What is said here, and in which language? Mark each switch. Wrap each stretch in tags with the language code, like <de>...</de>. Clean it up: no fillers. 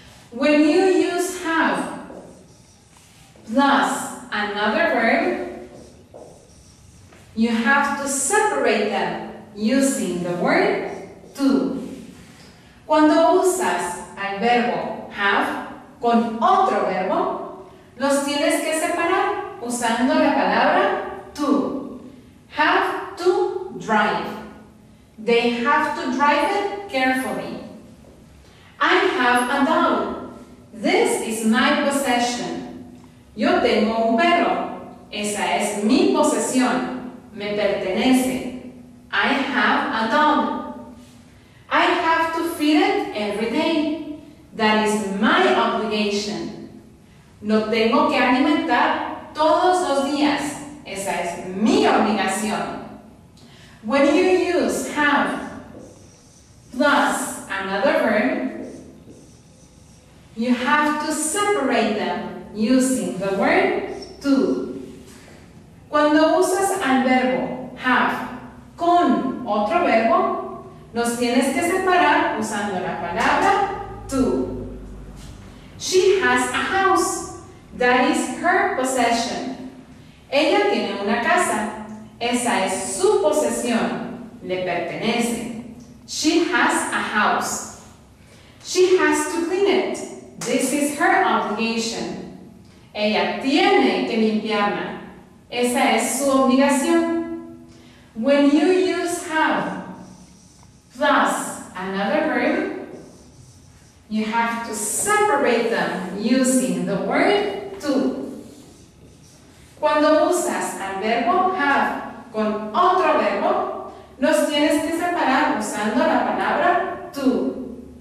<en>When you use have plus another verb, you have to separate them using the word to.</en> <es>Cuando usas el verbo have con otro verbo, los tienes que separar usando la palabra to.</es> <en>Have to drive. They have to drive it carefully. I have a dog. This is my possession.</en> <es>Yo tengo un perro. Esa es mi posesión. Me pertenece.</es> <en>I have a dog. I have to feed it every day. That is my obligation.</en> <es>Lo tengo que alimentar todos los días. Esa es mi obligación.</es> <en>When you use have plus another verb, you have to separate them using the word to.</en> <es>Cuando usas al verbo have con otro verbo, los tienes que separar usando la palabra to.</es> <en>She has a house. That is her possession.</en> <es>Ella tiene una casa. Esa es su posesión. Le pertenece.</es> <en>She has a house. She has to clean it. This is her obligation.</en> <es>Ella tiene que limpiarla. Esa es su obligación.</es> <en>When you use have plus another verb, you have to separate them using the word to.</en> <es>Cuando usas el verbo have con otro verbo, los tienes que separar usando la palabra to.</es>